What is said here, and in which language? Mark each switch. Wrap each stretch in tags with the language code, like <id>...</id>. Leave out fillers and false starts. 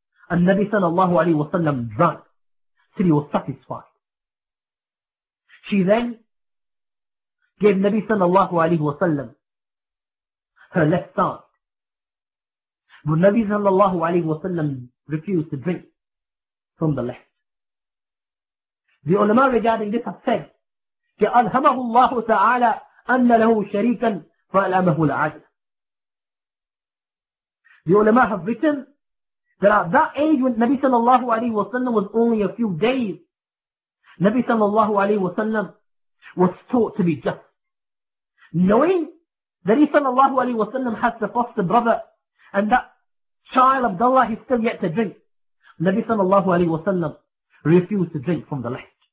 <en>And Nabi sallallahu alayhi wa sallam drank till he was satisfied. She then gave Nabi sallallahu alayhi wa sallam her left side. But Nabi sallallahu alayhi wa sallam refused to drink from the left.</en> <ar>The ulama regarding this have said, فَأَلْهَمَهُ اللَّهُ تَعَالَىٰ أَنَّ لَهُ شَرِيكًا فَأَلْهَمَهُ الْعَجْلَ.</ar> <en>The ulama have written that at that age when Nabi sallallahu alayhi wa sallam was only a few days, Nabi sallallahu alayhi wa sallam was taught to be just. Knowing that he sallallahu alayhi wa sallam has the foster brother, and that child Abdullah is still yet to drink, Nabi sallallahu alayhi wa sallam refused to drink from the left.</en>